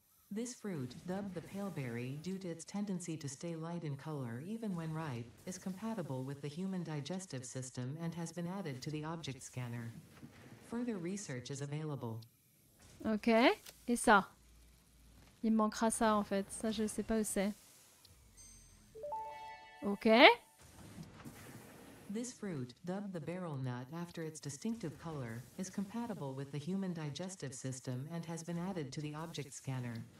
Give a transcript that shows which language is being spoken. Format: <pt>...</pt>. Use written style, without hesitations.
<en>This fruit, dubbed the paleberry, due to its tendency to stay light in color even when ripe, is compatible with the human digestive system and has been added to the object scanner. Further research is available.</en> <fr>Ok, et ça? Il me manquera ça en fait, ça je sais pas où c'est. Ok.</fr> <en>This fruit, dubbed the barrel nut after its distinctive color, is compatible with the human digestive system and has been added to the object scanner.</en>